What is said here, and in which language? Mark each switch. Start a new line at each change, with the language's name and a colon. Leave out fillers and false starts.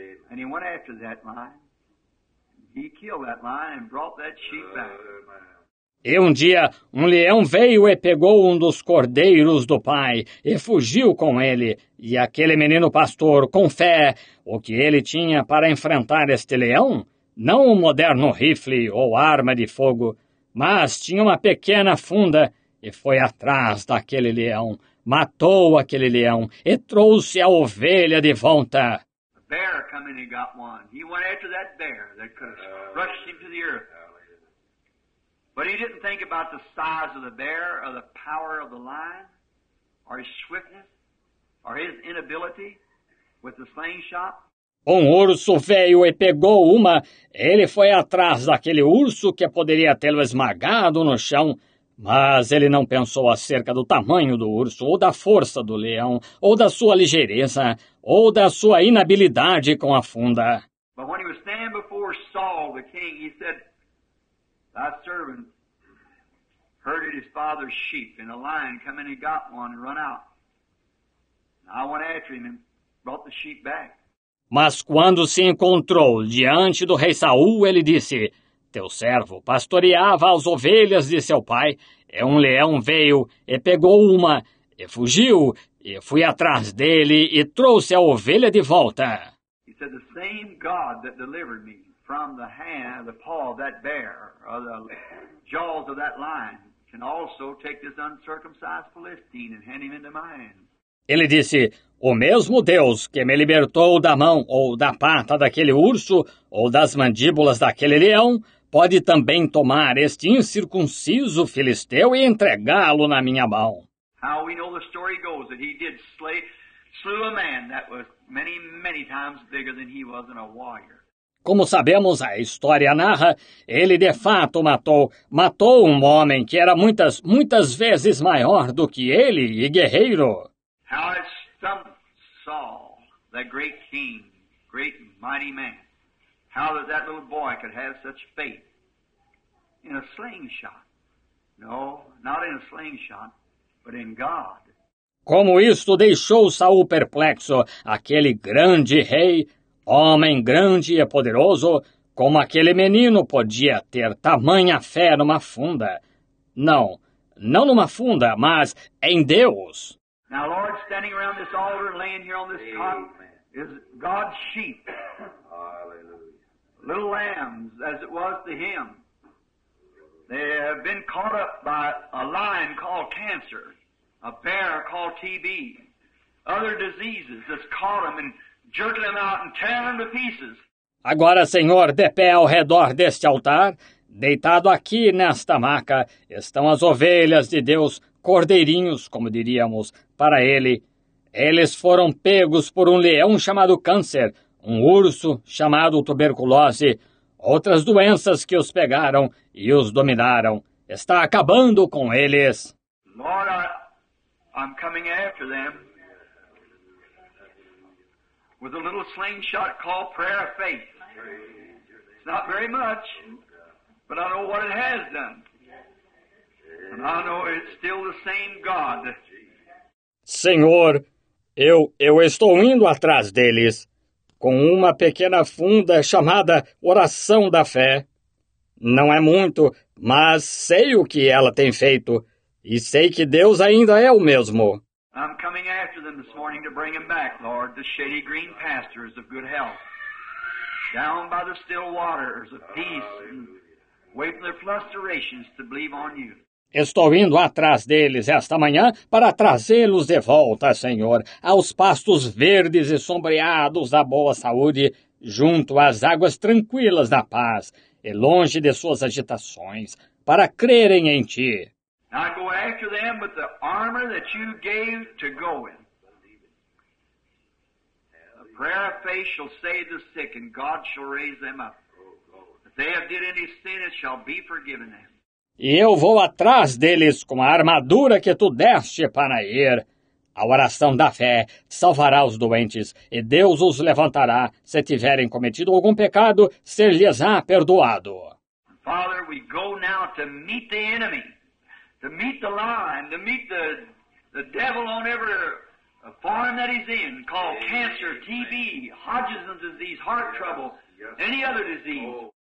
English: And he went after that lion. He killed that lion and brought that sheep back.
Portuguese: E um dia, um leão veio e pegou um dos cordeiros do pai e fugiu com ele. E aquele menino pastor, com fé, o que ele tinha para enfrentar este leão? Não um moderno rifle ou arma de fogo, mas tinha uma pequena funda e foi atrás daquele leão. Matou aquele leão e trouxe a ovelha de volta.
English: A bear came and got one. He went after that bear that could have rushed him to the earth. But he didn't think about the size of the bear or the power of the lion or his swiftness or his inability with the slingshot.
Portuguese: Um urso veio e pegou uma. Ele foi atrás daquele urso que poderia tê-lo esmagado no chão, mas ele não pensou acerca do tamanho do urso ou da força do leão ou da sua ligeireza ou da sua inabilidade com a funda.
English: But when he was standing before Saul, the king, he said, "Thy servant herded his father's sheep, and a lion come in and got one and run out. And I went after him and brought the sheep back."
Portuguese: Mas quando se encontrou diante do rei Saul, ele disse, "Teu servo pastoreava as ovelhas de seu pai, e um leão veio e pegou uma, e fugiu, e fui atrás dele e trouxe a ovelha de volta."
English: He said, "The same God that delivered me from the hand, the paw of that bear, or the jaws of that lion, can also take this uncircumcised Philistine and hand him into my hand."
Portuguese: Ele disse, "O mesmo Deus que me libertou da mão ou da pata daquele urso ou das mandíbulas daquele leão pode também tomar este incircunciso filisteu e entregá-lo na minha mão." Ah,
English: Now, we know the story goes that he did slew a man that was many, many times bigger than he was in a warrior.
Portuguese: Como sabemos, a história narra, ele de fato matou um homem que era muitas, muitas vezes maior do que ele e guerreiro.
English: How it stumped Saul, the great king, great mighty man. How did that little boy could have such faith in a slingshot? No, not in a slingshot, but in God.
Portuguese: Como isto deixou Saul perplexo, aquele grande rei, homem grande e poderoso, como aquele menino podia ter tamanha fé numa funda? Não, não numa funda, mas em Deus.
English: Now, Lord, standing around this altar and laying here on this cot is God's sheep. Hallelujah. Little lambs, as it was to him. They have been caught up by a lion called cancer. A bear called TB, other diseases that's caught them and jerked them out and tear them to pieces.
Portuguese: Agora, Senhor, de pé ao redor deste altar, deitado aqui nesta maca, estão as ovelhas de Deus, cordeirinhos, como diríamos, para ele. Eles foram pegos por um leão chamado câncer, um urso chamado tuberculose, outras doenças que os pegaram e os dominaram. Está acabando com eles.
English: Lord, I'm coming after them with a little slingshot called prayer of faith. It's not very much, but I know what it has done. And I know it's still the same God.
Portuguese: Senhor, eu estou indo atrás deles com uma pequena funda chamada oração da fé. Não é muito, mas sei o que ela tem feito. E sei que Deus ainda é o mesmo.
English: I'm coming after them this morning to bring them back, Lord, to shady green pastures of good health. Down by the still waters of peace and away from their frustrations to believe on you.
Portuguese: Estou indo atrás deles esta manhã para trazê-los de volta, Senhor, aos pastos verdes e sombreados da boa saúde, junto às águas tranquilas da paz e longe de suas agitações, para crerem em ti.
English: I go after them with the armor that you gave to go in. The prayer of faith shall save the sick, and God shall raise them up. If they have did any sin, it shall be forgiven them.
Portuguese: E eu vou atrás deles com a armadura que tu deste para ir. A oração da fé salvará os doentes, e Deus os levantará. Se tiverem cometido algum pecado, ser-lhes-á perdoado.
English: Father, we go now to meet the enemy. To meet the lion, to meet the devil on every farm that he's in, called cancer, TB, Hodgson's disease, heart trouble, any other disease.